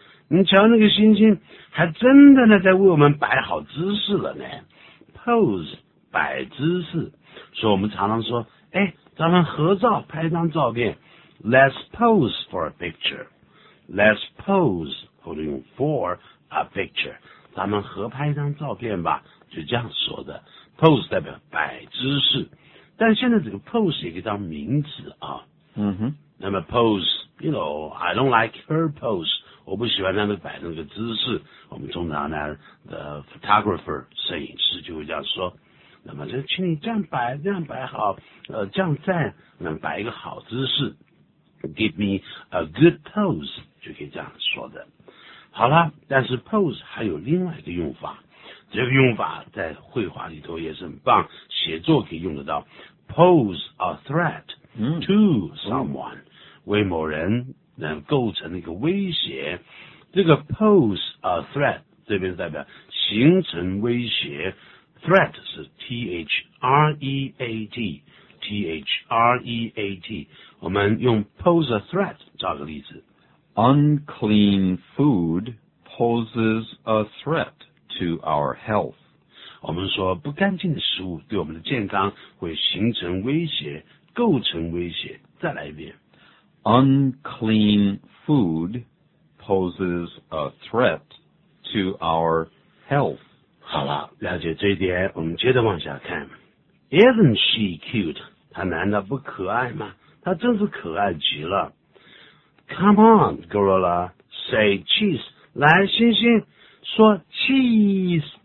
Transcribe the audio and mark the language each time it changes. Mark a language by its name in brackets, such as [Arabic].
[Chinese] 你瞧那个猩猩还真的呢在为我们摆好姿势了呢 pose,摆姿势，所以我们常常说，哎，咱们合照拍一张照片 ， [English] Let's pose for a picture. Let's pose [Chinese] 或者用 [English] for a picture. [Chinese] 咱们合拍一张照片吧，就这样说的。 Pose 代表摆姿势，但现在这个 pose 也可以当名词啊。那么 [English] pose, you know, I don't like her pose. [Chinese] 我不喜欢她那摆那个姿势。我们通常呢 ， [English] the photographer [Chinese] 摄影师就会这样说。那么就请你这样摆，这样摆好，这样站，那么摆一个好姿势 ， [English] give me a good pose [Chinese] 就可以这样说的。好了，但是 pose 还有另外一个用法，这个用法在绘画里头也是很棒，写作可以用得到。 [English] Pose a threat to someone [Chinese] 为某人能构成一个威胁，这个 [English] pose a threat [Chinese] 这边代表形成威胁。 [English] Threat 是 T-H-R-E-A-T, T-H-R-E-A-T. [Chinese] 我们用 [English] pose a threat [Chinese] 找个例子。 [English] Unclean food poses a threat to our health. [Chinese] 我们说不干净的食物对我们的健康会形成威胁，构成威胁。再来一遍。 [English] Unclean food poses a threat to our health. [Chinese] 好了，了解这一点，我们接着往下看。 [English] Isn't she cute? [Chinese] 她难道不可爱吗？她真是可爱极了。 [English] Come on, gorilla, say cheese. [Chinese] 来，猩猩，说 cheese。